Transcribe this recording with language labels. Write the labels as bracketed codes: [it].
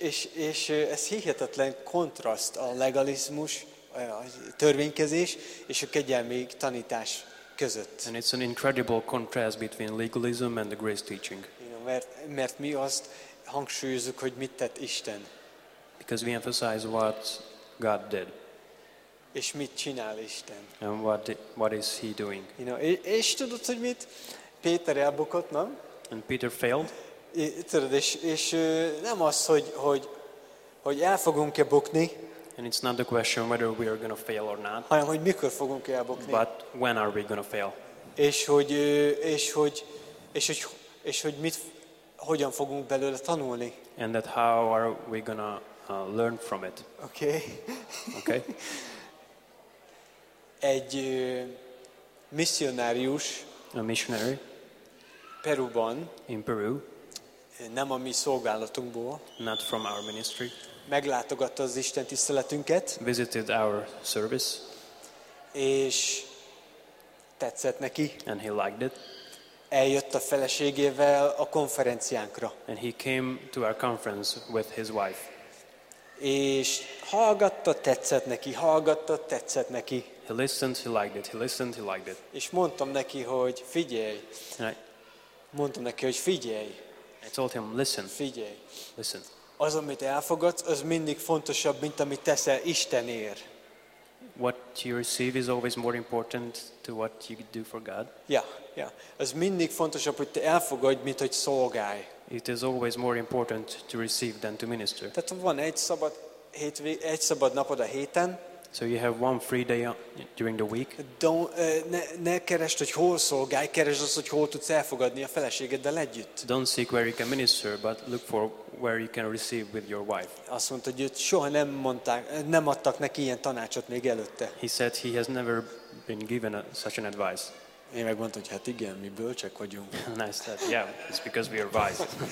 [hu] És ez hihetetlen kontraszt a legalizmus, a törvénykezés és a kegyelmi tanítás között. [en] And it's an incredible contrast between legalism and the grace teaching. [hu] Mert mi azt hangsúlyozzuk, hogy mit tett Isten. [en] Because we emphasize what God did. [hu] És mit csinál Isten. [en] And what is he doing. You know, [hu] és tudod, hogy mit? Péter elbukott, nem? [en] And Peter failed. [hu] Tudod, és nem az, hogy el fogunk-e bukni. [en] And it's not the question whether we are going to fail or not. [hu] Hanem, hogy mikor fogunk-e elbukni. [en] But when are we going to fail? [hu] És hogy mit, hogyan fogunk belőle tanulni? [en] And that how are we going to learn from it? Okay. Okay. [hu] Egy missionárius. [en] A missionary. [hu] Peruban. [en] In Peru. [hu] Nem a mi szolgálatunkból. [en] Not from our ministry. [hu] Meglátogatta az Isten tiszteletünket. [en] Visited our service. [hu] És tetszett neki. [en] And he liked it. [hu] eljött a feleségével a konferenciánkra. [en] And he came to our conference with his wife. [hu] És hallgatta, tetszett neki, hallgatta, tetszett neki. [en] He listened, he liked it. He listened, he liked it. [hu] És mondtam neki, hogy figyelj. Mondtam neki, hogy figyelj. [en] I told him, listen. [hu] Figyelj. [en] Listen. [hu] Az, amit elfogadsz, az mindig fontosabb, mint amit teszel Istenért. [en] What you receive is always more important to what you do for God. Yeah, yeah. [hu] Az mindig fontosabb, hogy te elfogadj, mint hogy szolgálj. [en] It is always more important to receive than to minister. [hu] Tehát van egy szabad napod a héten. [en] So you have one free day during the week. [hu] Ne keresd, hogy hol szolgálj, keresd azt, hogy hol tudsz elfogadni a feleségeddel együtt. [en] Don't seek where you can minister, but look for where you can receive with your wife. [hu] Azt mondta, hogy soha nem adtak neki ilyen tanácsot még előtte. [en] He said he has never been given such an advice. [hu] Én megmondtam, hogy hát igen, mi bölcsek vagyunk. [en] And I said, yeah, it's because we are wise.